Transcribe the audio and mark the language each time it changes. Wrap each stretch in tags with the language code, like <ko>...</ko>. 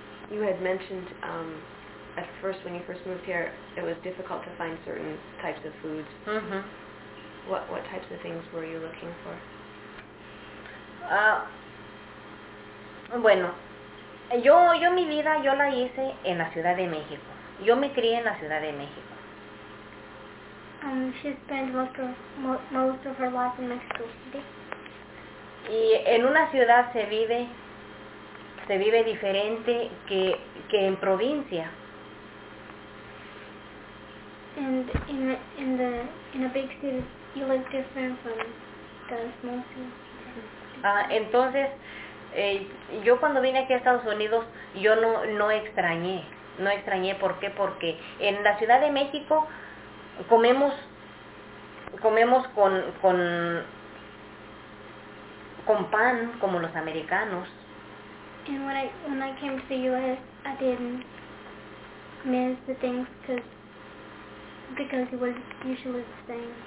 <en>You had mentioned at first, when you first moved here, it was difficult to find certain types of foods. Mm-hmm. What types of things were you looking for?</en> <es>Bueno, yo mi vida, yo la hice en la Ciudad de México. Yo me crié en la Ciudad de México.</es> <en>She spent most of her life in Mexico City.</en> <es>Y en una ciudad se vive diferente que en provincia.</es> <en>And in a big city, you live different from the small city.</en> <es>Entonces, yo cuando vine aquí a Estados Unidos, yo no extrañé. No extrañé, ¿por qué? Porque en la Ciudad de México comemos con pan como los americanos.</es> <en>And when I came to the U.S., I didn't miss the things because it was usually the same.</en>